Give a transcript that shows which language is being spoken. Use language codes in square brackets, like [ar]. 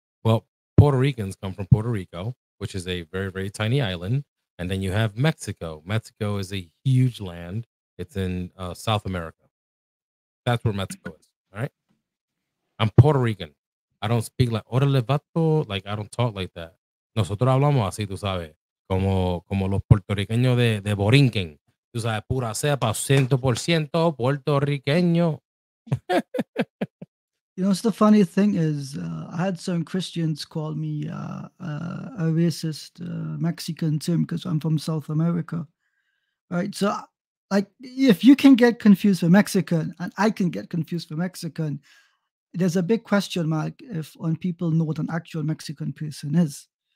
[en] Well, Puerto Ricans come from Puerto Rico, which is a very, very tiny island. And then you have Mexico. Mexico is a huge land. It's in South America. That's where Mexico is, all right? I'm Puerto Rican. I don't speak like [es] orale vato. [en] Like, I don't talk like that. [es] Nosotros hablamos así, tú sabes. Como los puertorriqueños de Borinquen. Tú sabes, pura cepa, 100% puertorriqueño. [en] You know, so the funny thing is, I had some Christians call me a racist Mexican term because I'm from South America. Right? So, like, if you can get confused for Mexican and I can get confused for Mexican, there's a big question mark if on people know what an actual Mexican person is.